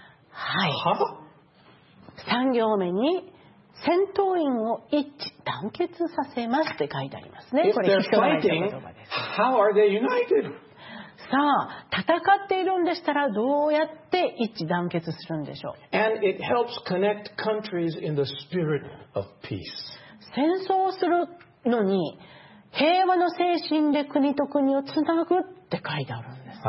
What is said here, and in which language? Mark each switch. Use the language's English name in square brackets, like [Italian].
[Japanese] はい、3行目に戦闘員を一致団結させますって書いてありますね。 [English] If they're fighting, how are they united? [Japanese] さあ戦っているんでしたらどうやって一致団結するんでしょう。 [English] And it helps connect countries in the spirit of peace. [Japanese] 戦争をするのに平和の精神で国と国をつなぐって書いてあるんです。